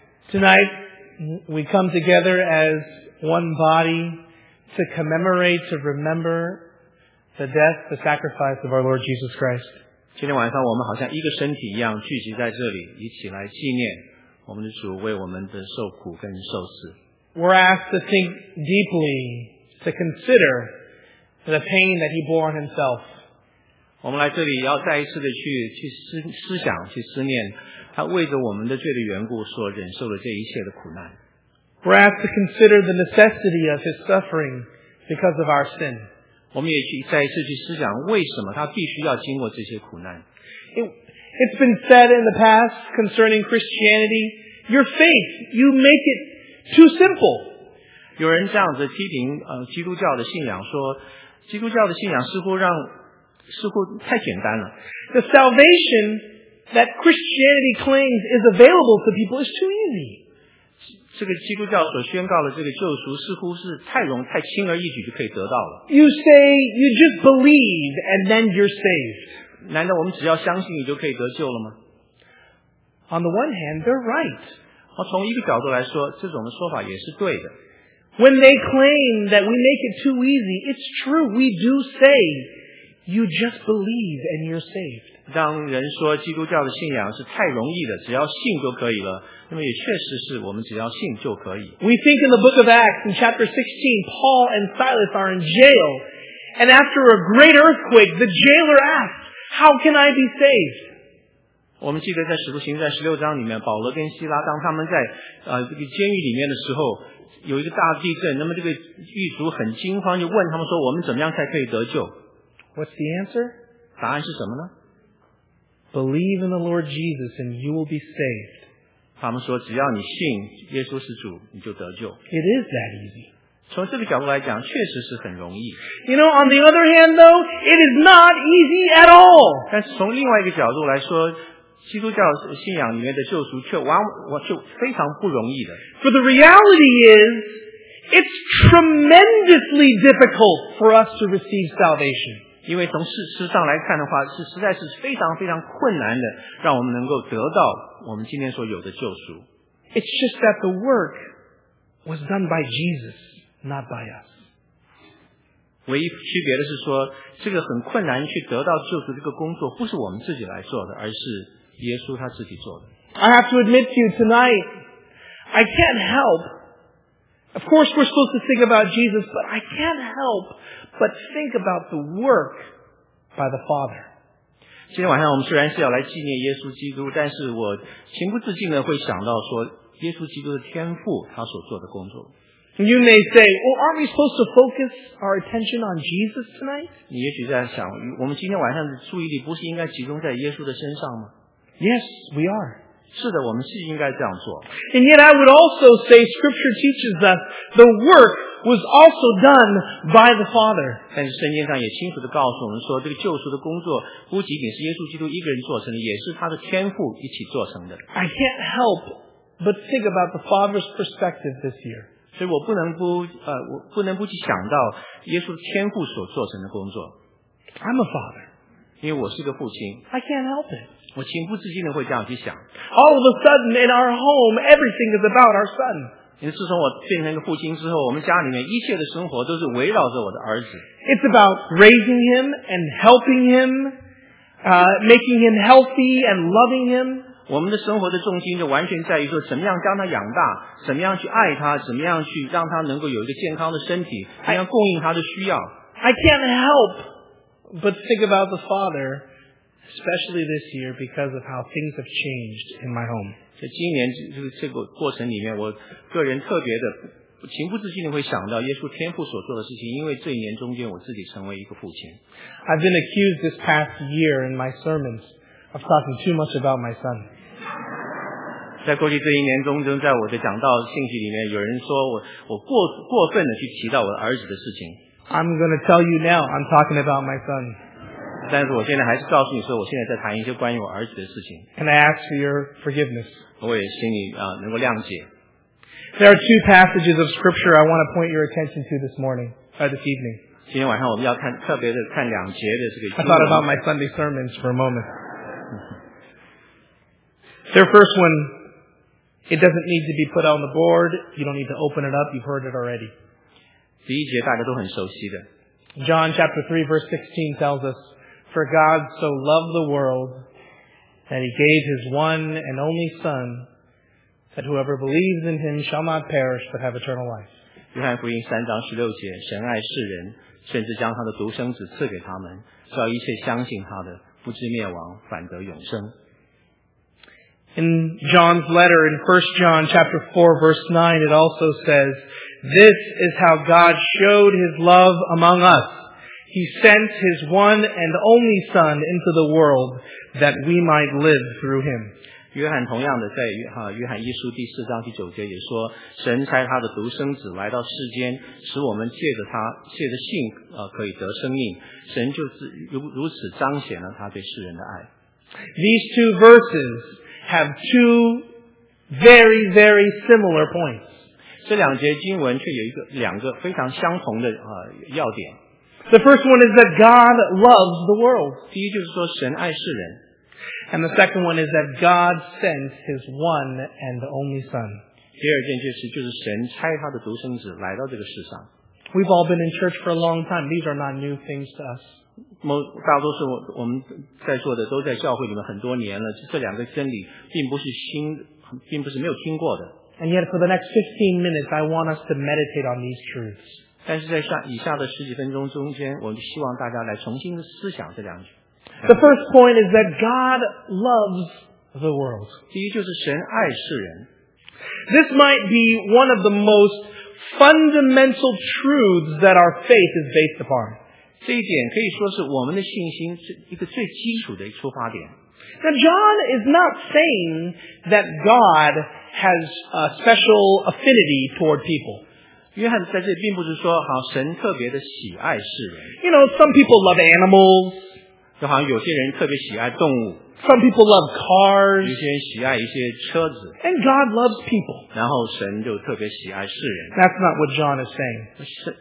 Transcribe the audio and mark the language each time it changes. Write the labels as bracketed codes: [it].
[en] Tonight, we come together as one body to commemorate, to remember the death, the sacrifice of our Lord Jesus Christ. [zh] 今天晚上我们好像一个身体一样聚集在这里，一起来纪念我们的主为我们的受苦跟受死。 [en] We're asked to think deeply, to consider the pain that he bore on himself. [zh] 我们来这里要再一次的去思想去思念他为着我们的罪的缘故所忍受的这一切的苦难。 [en] We're asked to consider the necessity of his suffering because of our sin. [zh] 我们也去再一次去思想为什么他必须要经过这些苦难。 [en] It's been said in the past concerning Christianity, your faith, you make it too simple. [zh] 有人这样子批评基督教的信仰说基督教的信仰似乎太简单了。 [en] The salvation that Christianity claims is available to people is too easy. [zh] 这个基督教所宣告的这个救赎似乎是太容太轻而易举就可以得到了。 [en] You say you just believe and then you're saved. [zh] 难道我们只要相信你就可以得救了吗？ [en] On the one hand, they're right. [zh] 从一个角度来说，这种的说法也是对的。 [en] When they claim that we make it too easy, it's true, we do say, you just believe and you're saved. [zh] 当人说基督教的信仰是太容易的，只要信就可以了，那么也确实是我们只要信就可以。 [en] We think in the book of Acts, in chapter 16, Paul and Silas are in jail, and after a great earthquake, the jailer asks, how can I be saved? [zh] 我们记得在使徒行传十六章里面，保罗跟希拉当他们在这个监狱里面的时候，有一个大地震，那么这个狱卒很惊慌，就问他们说：“我们怎么样才可以得救 [en] ？”What's the answer？ [zh] 答案是什么呢 [en] ？Believe in the Lord Jesus and you will be saved。 [zh] 他们说：“只要你信耶稣是主，你就得救。 [en] ”It is that easy。 [zh] 从这个角度来讲，确实是很容易。 [en] You know, on the other hand, though, it is not easy at all. [zh] 但是从另外一个角度来说，基督教信仰里面的救赎却非常不容易的。 [en] For the reality is, it's tremendously difficult for us to receive salvation. [zh] 因为从事实上来看的话，是实在是非常非常困难的，让我们能够得到我们今天所有的救赎。 [en] It's just that the work was done by Jesus. Not by us. [zh] 唯一区别的是说，这个很困难去得到救赎这个工作，不是我们自己来做的，而是耶稣他自己做的。 [en] I have to admit to you tonight, I can't help. Of course, we're supposed to think about Jesus, but I can't help but think about the work by the Father. [zh] 今天晚上我们虽然是要来纪念耶稣基督，但是我情不自禁的会想到说，耶稣基督的天父他所做的工作。 [en] You may say, well, aren't we supposed to focus our attention on Jesus tonight? [zh] 你也许在想，我们今天晚上的注意力不是应该集中在耶稣的身上吗？ [en] Yes, we are. [zh] 是的，我们是应该这样做。 [en] And yet I would also say scripture teaches us the work was also done by the Father. [zh] 但是圣经上也清楚地告诉我们说，这个救赎的工作不仅仅是耶稣基督一个人做成的，也是他的天父一起做成的。 [en] I can't help but think about the Father's perspective this year. [zh] 所以我不能不去想到耶稣天父所做成的工作。 [en] I'm a father. [zh] 因为我是个父亲。 [en] I can't help it. [zh] 我情不自禁的会这样去想。 [en] All of a sudden, in our home, everything is about our son. [zh] 因为自从我变成一个父亲之后，我们家里面一切的生活都是围绕着我的儿子。 [en] It's about raising him and helping him, making him healthy and loving him. [zh] 我们的生活的重心就完全在于说怎么样将他养大，怎么样去爱他，怎么样去让他能够有一个健康的身体，怎样供应他的需要。 [en] I can't help but think about the Father, especially this year because of how things have changed in my home. [zh] 在今年这个过程里面，我个人特别的情不自禁的会想到耶稣天父所做的事情，因为这一年中间我自己成为一个父亲。 [en] I've been accused this past year in my sermons. Of talking too much about my son. [zh] 在过去这一年中，在我的讲道信息里面，有人说我过分的去提到我的儿子的事情。 [en] I'm going to tell you now. I'm talking about my son. [zh] 但是我现在还是告诉你说，我现在在谈一些关于我儿子的事情。 [en] And I ask for your forgiveness. [zh] 我也请你能够谅解。 [en] There are two passages of scripture I want to point your attention to this morning, this evening. [zh] 今天晚上我们要看特别的看两节的这个。 [en] I thought about my Sunday sermons for a moment. Their first one, it doesn't need to be put on the board. You don't need to open it up. You've heard it already. [zh] 第一节大家都很熟悉的。 [en] John chapter 3 verse 16 tells us, For God so loved the world that he gave his one and only son that whoever believes in him shall not perish but have eternal life. [zh] 约翰福音三章十六节，神爱世人，甚至将他的独生子赐给他们，叫一切相信他的不至灭亡，反得永生。 [en] In John's letter, in 1 John chapter 4, verse 9, it also says, This is how God showed his love among us. He sent his one and only Son into the world that we might live through him. [zh] 约翰同样的在约翰一书第四章第九节也说，神差他的独生子来到世间，使我们借着他借着信可以得生命。神就如此彰显了他对世人的爱。 [en] These two verses have two very very similar points. [zh] 这两节经文却有一个两个非常相同的要点。 [en] The first one is that God loves the world. [zh] 第一就是说神爱世人。 [en] And the second one is that God sent His one and only Son. [zh] 第二件就是神差他的独生子来到这个世上。 [en] We've all been in church for a long time. These are not new things to us. [zh] 大多数我们在座的都在教会里面很多年了，这两个真理并不是没有听过的。 [en] And yet for the next 15 minutes, I want us to meditate on these truths. [zh] 但是在以下的十几分钟中间，我们希望大家来重新思想这两句。 [en] The first point is that God loves the world. [zh] 第一就是神爱世人。 [en] This might be one of the most fundamental truths that our faith is based upon. [zh] 这一点可以说是我们的信心一个最基础的出发点。 [en] Now John is not saying that God has a special affinity toward people. [zh] 约翰在这并不是说好神特别的喜爱世人。 [en] You know, some people love animals. [zh] 就好像有些人特别喜爱动物。 [en] Some people love cars. [zh] 有些人喜爱一些车子。 [en] And God loves people. [zh] 然后神就特别喜爱世人。 [en] That's not what John is saying.